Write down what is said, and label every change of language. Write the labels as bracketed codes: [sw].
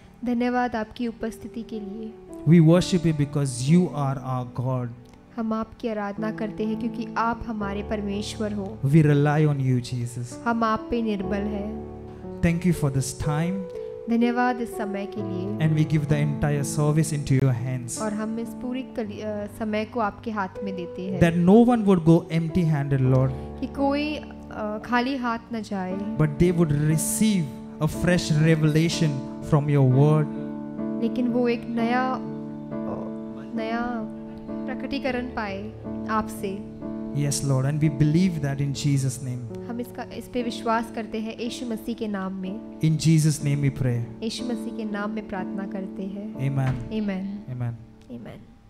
[hi] धन्यवाद आपकी उपस्थिति के लिए. [en] We worship you because you are our God. [hi] हम आपकी आराधना करते हैं क्योंकि आप हमारे परमेश्वर हो. [en] We rely on you Jesus. [hi] हम आप पे निर्भर हैं. [en] Thank you for this time. [hi] धन्यवाद इस समय के लिए. [en] And we give the entire service into your hands. [hi] और हम इस पूरे समय को आपके हाथ में देते हैं. [en] That no one would go empty-handed, Lord. [hi] कि कोई खाली हाथ न जाए. [en] But they would receive a fresh revelation from your word. [hi] लेकिन वो एक नया प्रकटीकरण पाए आपसे. [en] Yes, Lord, and we believe that in Jesus' name. [hi] हम इस पे विश्वास करते हैं यीशु मसीह के नाम में. [en] In Jesus' name we pray. [hi] यीशु मसीह के नाम में प्रार्थना करते हैं. [en] Amen. Amen. Amen. Amen.